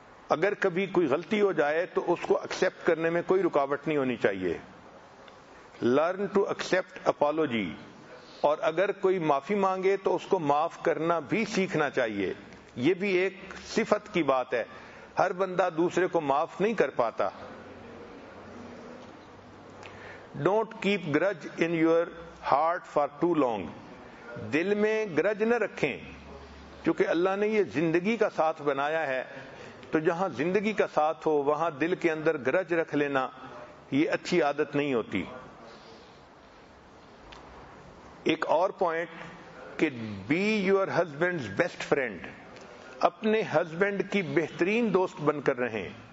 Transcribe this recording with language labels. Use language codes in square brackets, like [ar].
[ur] اگر کبھی کوئی غلطی ہو جائے تو اس کو ایکسیپٹ کرنے میں کوئی رکاوٹ نہیں ہونی چاہیے۔ [en] learn to accept apology, [ur] اور اگر کوئی معافی مانگے تو اس کو معاف کرنا بھی سیکھنا چاہیے۔ یہ بھی ایک صفت کی بات ہے، ہر بندہ دوسرے کو معاف نہیں کر پاتا. [en] Don't keep grudge in your heart for too long. [ur] دل میں گرج نہ رکھیں, کیونکہ اللہ نے یہ زندگی کا ساتھ بنایا ہے, تو جہاں زندگی کا ساتھ ہو وہاں دل کے اندر گرج رکھ لینا یہ اچھی عادت نہیں ہوتی. ایک اور پوائنٹ کہ [en] be your husband's best friend, [ur] اپنے ہسبینڈ کی بہترین دوست بن کر رہے ہیں.